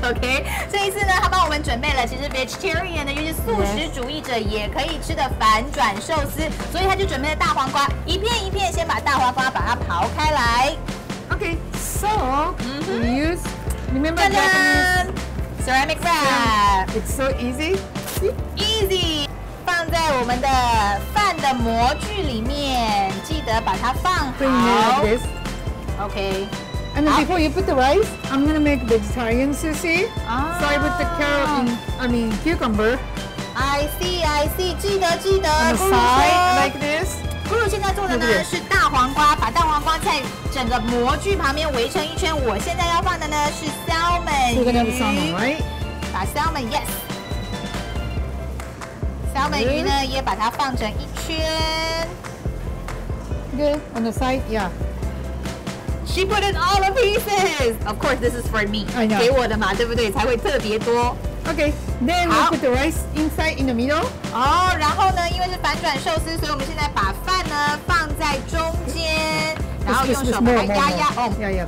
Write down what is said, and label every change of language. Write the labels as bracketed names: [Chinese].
[Chinese] OK， 这一次呢，他帮我们准备了，其实 vegetarian 的，尤其素食主义者也可以吃的反转寿司，所以他就准备了大黄瓜，一片一片，先把大黄瓜把它刨开来。 [English] OK， so we use remember Japanese. Ceramic wrap. It's so easy. Easy. [Chinese] 放在我们的饭的模具里面，记得把它放好。 [English] Bring it like this. Okay. And then before you put the rice, I'm gonna make vegetarian sushi. So I put the carrot in. Cucumber. I see. [Chinese] 记得。 [English] And the side like this. [Chinese] Guru 现在做的呢是大黄瓜，把大黄瓜在整个模具旁边围成一圈。我现在要放的呢是 salmon 鱼，把 salmon yes， salmon 鱼呢也把它放成一圈。 [English] Good on the side, yeah. She put in all the pieces. Of course, this is for me. I know. [Chinese] 给我的嘛，对不对？才会特别多。 [English] Okay, then we put the rice inside in the middle. [Chinese] 然后呢，因为是反转寿司，所以我们现在把饭呢放在中间，然后用手把它压压。